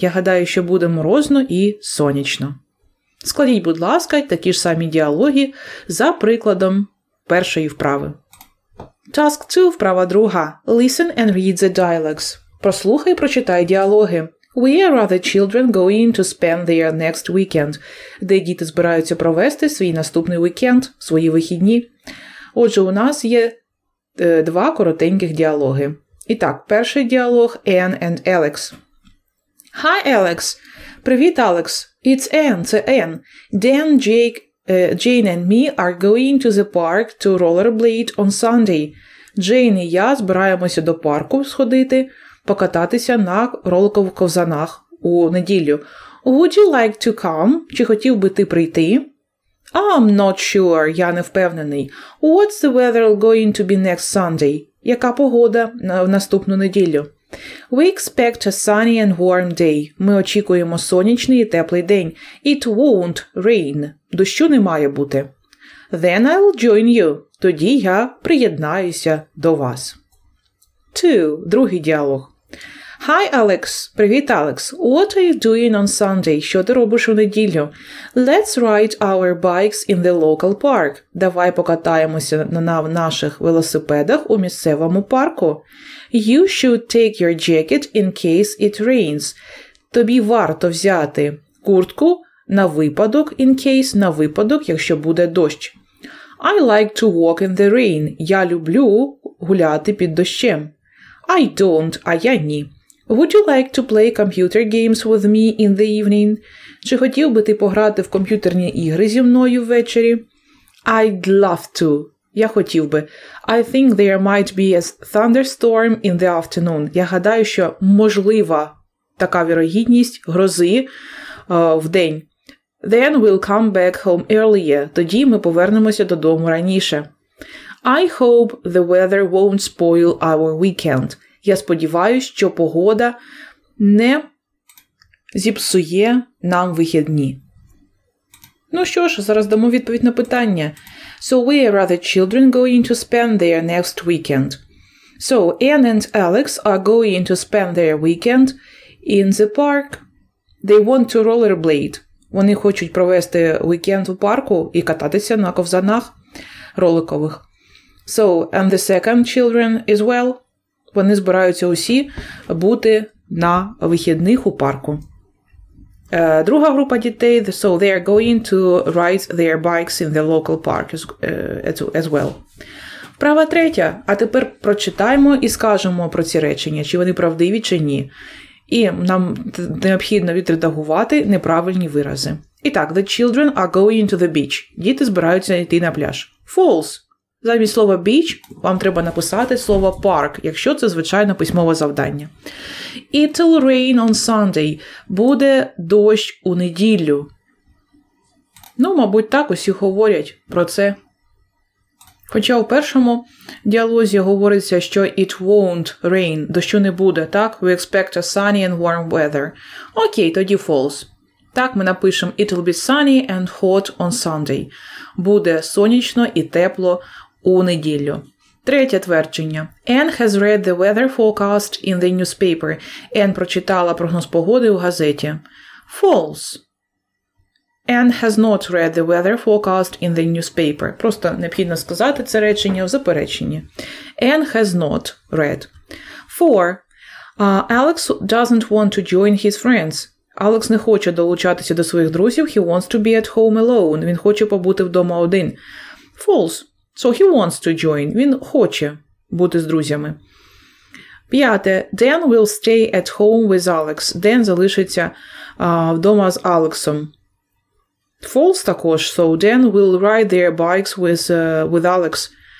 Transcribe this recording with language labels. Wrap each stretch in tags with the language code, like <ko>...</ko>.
<uk>Я гадаю, що буде морозно і сонячно. Складіть, будь ласка, такі ж самі діалоги за прикладом першої вправи.</uk> <en>Task 2,</en> <uk>вправа друга.</uk> <en>Listen and read the dialogues.</en> <uk>Прослухай, прочитай діалоги.</uk> <en>Where are the children going to spend their next weekend?</en> <uk>Де діти збираються провести свій наступний вікенд, свої вихідні? Отже, у нас є два коротеньких діалоги. І так, перший діалог Anne and Alex.</uk> <en>Hi, Alex.</en> <uk>Привіт, Alex.</uk> <en>It's Anne.</en> <uk>Це Anne.</uk> <en>Dan, Jake, Jane and me are going to the park to rollerblade on Sunday.</en> <uk>Jane і я збираємося до парку сходити, покататися на роликовзанах у неділю.</uk> <en>Would you like to come?</en> <uk>Чи хотів би ти прийти?</uk> <en>I'm not sure.</en> <uk>Я не впевнений.</uk> <en>What's the weather going to be next Sunday?</en> <uk>Яка погода в наступну неділю?</uk> <en>We expect a sunny and warm day.</en> <uk>Ми очікуємо сонячний і теплий день.</uk> <en>It won't rain.</en> <uk>Дощу не має бути.</uk> <en>Then I'll join you.</en> <uk>Тоді я приєднаюся до вас. 2. Другий діалог.</uk> <en>Hi, Alex.</en> <uk>Привіт, Alex.</uk> <en>What are you doing on Sunday?</en> <uk>Що ти робиш у неділю?</uk> <en>Let's ride our bikes in the local park.</en> <uk>Давай покатаємося на наших велосипедах у місцевому парку.</uk> <en>You should take your jacket in case it rains.</en> <uk>Тобі варто взяти куртку на випадок,</uk> <en>in case,</en> <uk>на випадок, якщо буде дощ.</uk> <en>I like to walk in the rain.</en> <uk>Я люблю гуляти під дощем.</uk> <en>I don't,</en> <uk>а я ні.</uk> <en>Would you like to play computer games with me in the evening?</en> <uk>Чи хотів би ти пограти в комп'ютерні ігри зі мною ввечері?</uk> <en>I'd love to.</en> <uk>Я хотів би.</uk> <en>I think there might be a thunderstorm in the afternoon.</en> <uk>Я гадаю, що можлива така вірогідність грози в день.</uk> <en>Then we'll come back home earlier.</en> <uk>Тоді ми повернемося додому раніше.</uk> <en>I hope the weather won't spoil our weekend.</en> <uk>Я сподіваюся, що погода не зіпсує нам вихідні. Ну що ж, зараз дамо відповідь на питання.</uk> <en>So, where are the children going to spend their next weekend? So, Anne and Alex are going to spend their weekend in the park. They want to rollerblade.</en> <uk>Вони хочуть провести уікенд у парку і кататися на ковзанах роликових.</uk> <en>So, and the second children as well.</en> <uk>Вони збираються усі бути на вихідних у парку. Друга група дітей,</uk> <en>so they are going to ride their bikes in the local park as well.</en> <uk>Права третя. А тепер прочитаємо і скажемо про ці речення, чи вони правдиві, чи ні. І нам необхідно відредагувати неправильні вирази. І так,</uk> <en>the children are going to the beach.</en> <uk>Діти збираються йти на пляж.</uk> <en>False.</en> <uk>Замість слова beach вам треба написати слово park, якщо це, звичайно, письмове завдання.</uk> <en>It'll rain on Sunday.</en> <uk>Буде дощ у неділю. Ну, мабуть, так усі говорять про це. Хоча у першому діалозі говориться, що</uk> <en>it won't rain,</en> <uk>дощу не буде, так?</uk> <en>We expect a sunny and warm weather.</en> <uk>Окей, тоді</uk> <en>false.</en> <uk>Так, ми напишемо</uk> <en>it'll be sunny and hot on Sunday.</en> <uk>Буде сонячно і тепло у неділю. Третє твердження.</uk> <en>Anne has read the weather forecast in the newspaper.</en> <uk>Anne прочитала прогноз погоди у газеті. False.</uk> <en>Anne has not read the weather forecast in the newspaper.</en> <uk>Просто необхідно сказати це речення в запереченні.</uk> <en>Anne has not read. Four. Alex doesn't want to join his friends.</en> <uk>Alex не хоче долучатися до своїх друзів.</uk> <en>He wants to be at home alone.</en> <uk>Він хоче побути вдома один.</uk> <en>False. So he wants to join.</en> <uk>Він хоче бути з друзями. П'яте.</uk> <en>Dan will stay at home with Alex.</en> <uk>Dan залишиться вдома з Алексом. False також.</uk> <en>So Dan will ride their bikes with Alex.</en>